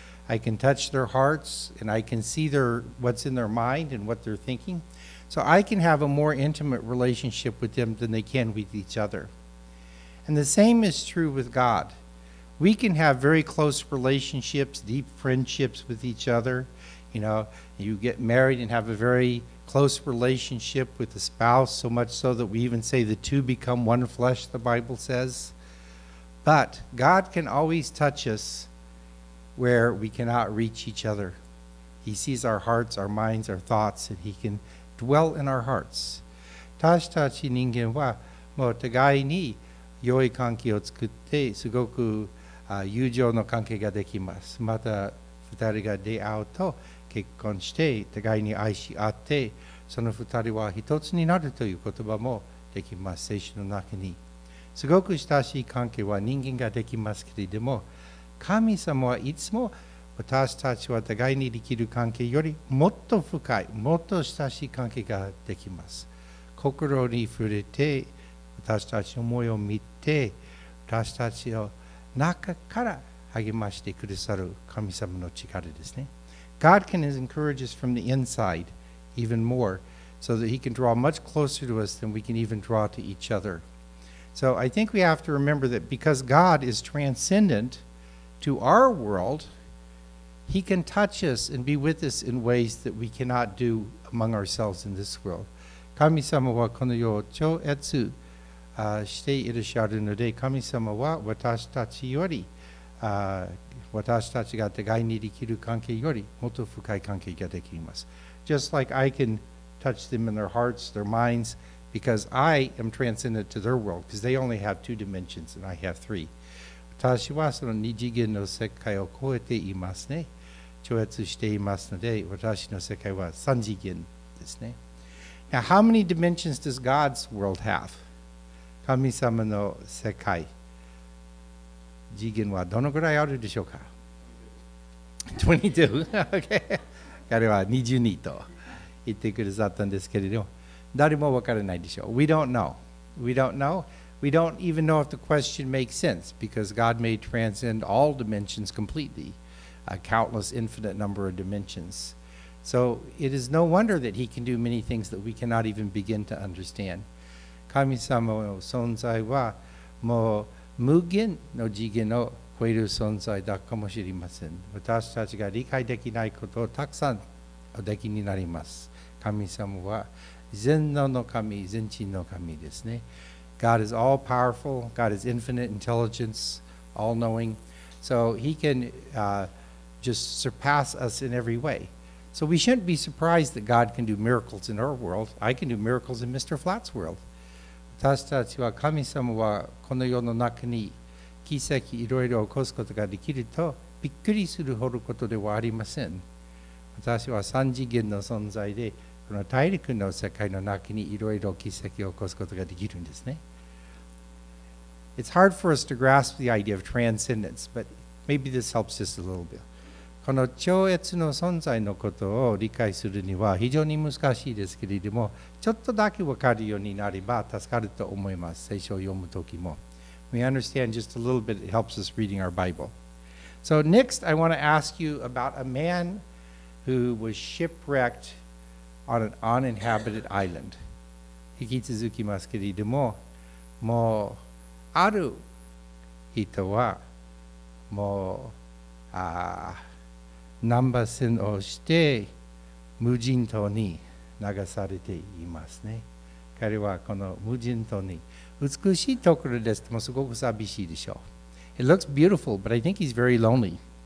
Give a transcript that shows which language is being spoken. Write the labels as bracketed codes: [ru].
[en] I can touch their hearts and I can see their, what's in their mind and what they're thinking. So I can have a more intimate relationship with them than they can with each other. And the same is true with God. We can have very close relationships, deep friendships with each other. You know, you get married and have a very close relationship with a spouse, so much so that we even say the two become one flesh, the Bible says. But God can always touch us where we cannot reach each other. He sees our hearts, our minds, our thoughts, and he can... dwell in our hearts. [ja] 私たち人間はもう互いに良い関係を作って、すごく友情の関係ができます。また二人が出会うと結婚して互いに愛し合って、その二人は一つになるという言葉もできます。聖書の中にすごく親しい関係は人間ができますけれども、神様はいつも私たちは互いにできる関係よりもっと深い、もっと親しい関係ができます。心に触れて私たちの思いを見て、私たちの中から励ましてくださる神様の力ですね。 [en] God can encourage us from the inside even more, so that he can draw much closer to us than we can even draw to each other. So I think we have to remember that because God is transcendent to our worldHe can touch us and be with us in ways that we cannot do among ourselves in this world. [ja] 神様はこの世を超越していらっしゃるので、神様は私たちより、私たちが互いにできる関係よりもっと深い関係ができます。 [en] Just like I can touch them in their hearts, their minds, because I am transcendent to their world, because they only have two dimensions and I have three. [ja] 私はその二次元の世界を超えていますね。超越していますので、私の世界は三次元ですね。 [en] Now, how many dimensions does God's world have? [ja] 神様の世界、次元はどのぐらいあるでしょうか？ [en] 22? Okay. [ja] 彼は22と言ってくださったんですけれども、誰もわからないでしょう。 [en] We don't know. We don't know. We don't even know if the question makes sense because God may transcend all dimensions completely, a countless infinite number of dimensions. So it is no wonder that he can do many things that we cannot even begin to understand. [ja] 神様の存在はもう無限の次元を超える存在だかもしれません。私たちが理解できないことをたくさんおできになります。神様は全能の神、全知の神ですね。 [en] God is all powerful. God is infinite intelligence, all knowing. So he can just surpass us in every way. So we shouldn't be surprised that God can do miracles in our world. I can do miracles in Mr. Flat's world. [ja] 私たちは神様はこの世の中に奇跡いろいろ起こすことができるとびっくりするほどことではありません。私は三次元の存在で、この大陸の世界の中にいろいろ奇跡を起こすことができるんですね。 [en] It's hard for us to grasp the idea of transcendence, but maybe this helps just a little bit. [ja] この超越の存在のことを理解するには非常に難しいですけれども、ちょっとだけわかるようになれば助かると思います。聖書を読むときも。 [en] We understand just a little bit, it helps us reading our Bible. So next, I want to ask you about a man who was shipwreckedon an uninhabited island. [ja] 引き続きますけれども、もうある人はもう難波船をして無人島に流されていますね。彼はこの無人島に美しいところです。もうすごく寂しいでしょう。 [en] It looks beautiful, but I think he's very lonely.